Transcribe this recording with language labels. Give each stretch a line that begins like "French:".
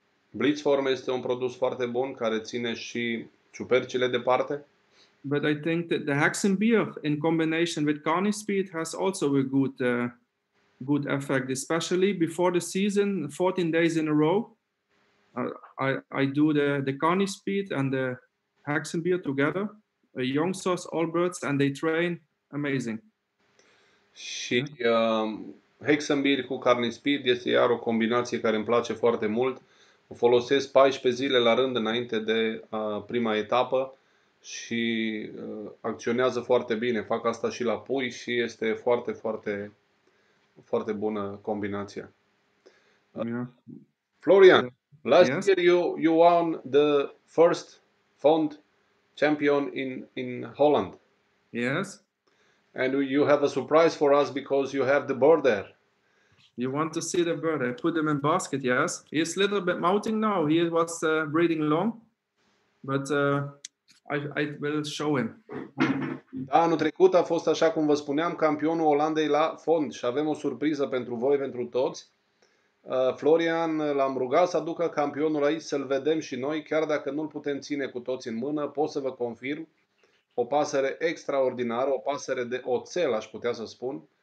Romanian: Blitzform este un produs foarte bun care ține și ciupercile departe.
English: But I think that the Hexen beer in combination with Carni Speed has also a good effect, especially before the season, 14 days in a row. I do the Carni Speed and the Hexen beer together, a young sauce, all birds, and they train amazing.
Romanian: Și Hexen beer cu Carni Speed este iar o combinație care îmi place foarte mult. O folosesc 14 zile la rând înainte de prima etapă și acționează foarte bine. Fac asta și la pui și este foarte, foarte, foarte bună combinația.
English: Yeah. Florian, last yes. year you won the first fond champion in Holland. Yes. And you have a surprise for us because you have the bird there. You want to see the bird? I put him in basket, yes. He's a little bit mounting now. He was breeding long, but I will show him.
Romanian: Da, anul trecut a fost așa cum vă spuneam, campionul Olandei la fond și avem o surpriză pentru voi, pentru toți. Florian, l-am rugat să aducă campionul aici să-l vedem și noi, chiar dacă nu-l putem ține cu toți în mână, pot să vă confirm. O pasăre extraordinară, o pasăre de oțel, aș putea să spun.